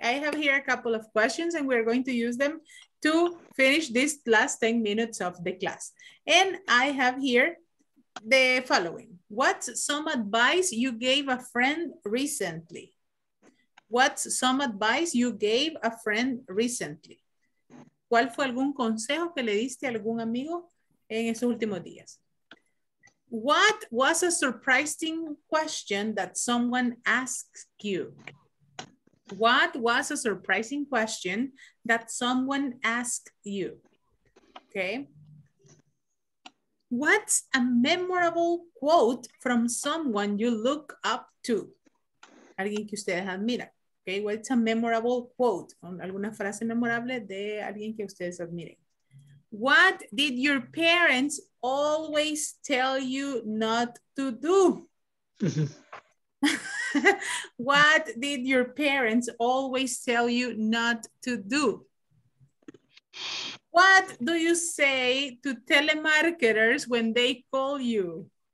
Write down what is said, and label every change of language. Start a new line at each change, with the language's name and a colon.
English: I have here a couple of questions and we're going to use them to finish this last 10 minutes of the class. And I have here the following. What's some advice you gave a friend recently? What's some advice you gave a friend recently?
Spanish: ¿Cuál fue algún consejo que le diste a algún amigo en esos últimos días?
English: What was a surprising question that someone asked you? What was a surprising question that someone asked you? Okay. What's a memorable quote from someone you look up to?
Spanish: Alguien que ustedes admiran.
English: Okay, what's a memorable quote?
Spanish: ¿Alguna frase memorable de alguien que ustedes admiren?
English: What did your parents always tell you not to do? What did your parents always tell you not to do? What do you say to telemarketers when they call you?